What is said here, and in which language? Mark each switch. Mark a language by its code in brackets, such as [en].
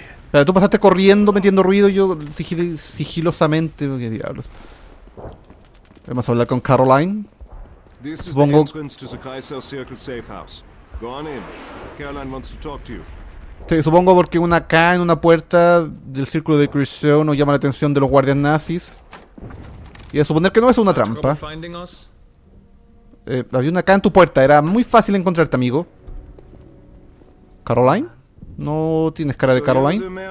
[es] Pero tú pasaste corriendo, metiendo ruido, y yo sigilosamente. ¿Qué diablos? Vamos a hablar con Caroline. [en] This is the entrance to the Chrysler Circle safe house. Go on in. Caroline wants to talk to you. [es] Sí, supongo porque una K en una puerta del círculo de Chrysler no llama la atención de los guardias nazis. Y a suponer que no es una trampa. Había una K en tu puerta. Era muy fácil encontrarte, amigo. ¿Caroline? ¿No tienes cara de Caroline?